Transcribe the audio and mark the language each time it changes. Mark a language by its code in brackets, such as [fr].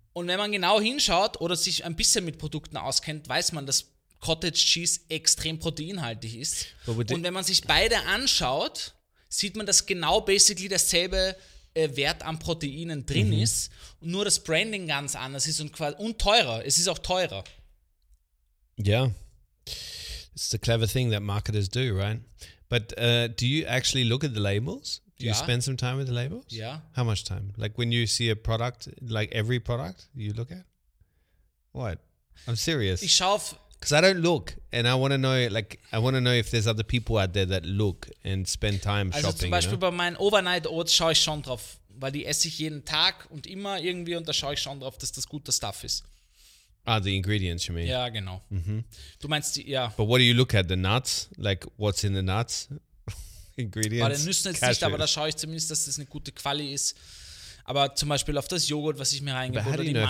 [de] Und wenn man genau hinschaut oder sich ein bisschen mit Produkten auskennt, weiß man, dass Cottage Cheese extrem proteinhaltig ist. Und wenn man sich beide anschaut, sieht man, dass genau basically dasselbe Wert an Proteinen drin ist. Und nur das Branding ganz anders ist und teurer. Es ist auch teurer. Ja. Yeah. [en] It's the clever thing that marketers do, right? But do you actually look at the labels? Do you spend some time with the labels? Yeah. How much time? Like when you see a product, like every product you look at? What? I'm serious. [de] Ich schaue auf... [en] Because I don't look and I want to know, like, I want to know if there's other people out there that look and spend time also shopping. [de] Also zum Beispiel, [en] you know? [de] Bei meinen Overnight Oats schaue ich schon drauf, weil die esse ich jeden Tag und immer irgendwie und da schaue ich schon drauf, dass das guter Stuff ist. [en] Ah, the ingredients, you mean? [de] Ja, genau. Mm-hmm. Du meinst, ja. [en] But what do you look at? The nuts? Like, what's in the nuts? Ingredients? [de] Bei den Nüssen jetzt nicht, aber da schaue ich zumindest, dass das eine gute Quali ist. Aber zum Beispiel auf das Joghurt, was ich mir reingebe, oder die Mandelmilch.